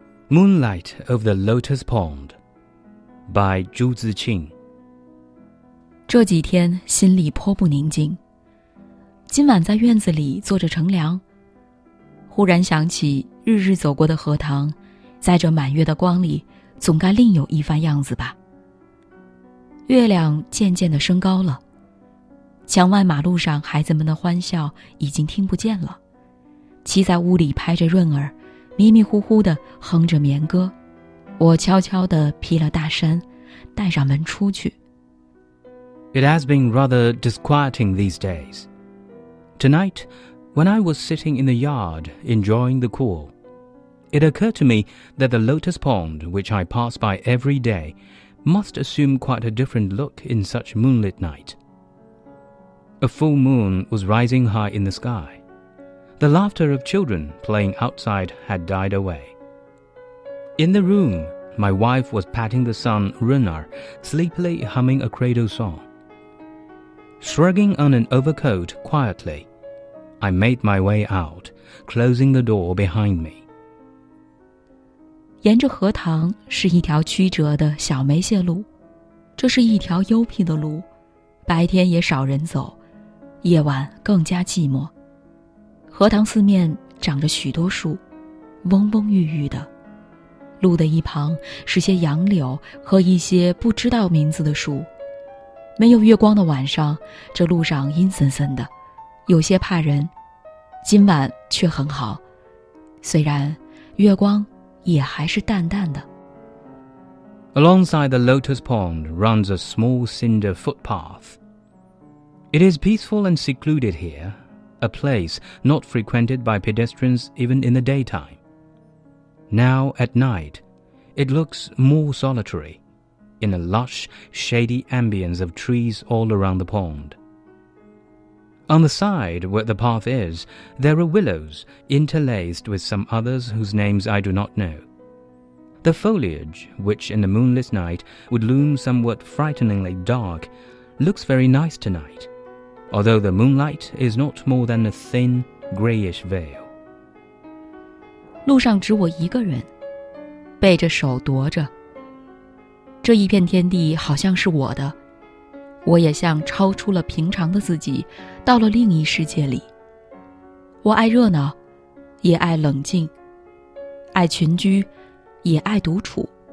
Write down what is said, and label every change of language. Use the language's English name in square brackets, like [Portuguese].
[English] Moonlight of the Lotus Pond by 朱自清。 [Chinese] 这几天心里颇不宁静，今晚在院子里坐着乘凉，忽然想起日日走过的荷塘，在这满月的光里总该另有一番样子吧。月亮渐渐地升高了，墙外马路上孩子们的欢笑已经听不见了，骑在屋里拍着润儿，迷迷糊糊地哼着眠歌。我悄悄地披了大衫，带上门出去。 [English] It has been rather disquieting these days. Tonight, when I was sitting in the yard enjoying the cool, it occurred to me that the lotus pond which I pass by every day must assume quite a different look in such moonlit night. A full moon was rising high in the sky. The laughter of children playing outside had died away. In the room, my wife was patting the son, Runar, sleepily humming a cradle song. Shrugging on an overcoat quietly, I made my way out, closing the door behind me. [Chinese] 沿着荷塘是一条曲折的小梅谢路，这是一条幽僻的路，白天也少人走，夜晚更加寂寞。荷塘四面长着许多树，蓊蓊郁郁的，路的一旁是些杨柳和一些不知道名字的树。没有月光的晚上，这路上阴森森的，有些怕人，今晚却很好，虽然月光也还是淡淡的。 [English] Alongside the lotus pond runs a small cinder footpath. It is peaceful and secluded hereA place not frequented by pedestrians even in the daytime. Now at night, it looks more solitary, in a lush, shady ambience of trees all around the pond. On the side where the path is, there are willows interlaced with some others whose names I do not know. The foliage, which in the moonless night would loom somewhat frighteningly dark, looks very nice tonight. Although the moonlight is not more than a thin, grayish veil. [Chinese] 路上只我一个人，背着手踱着。这一片天地好像是我的，我也像超出了平常的自己，到了另一世界里。我爱热闹，也爱冷静，爱群居，也爱独处。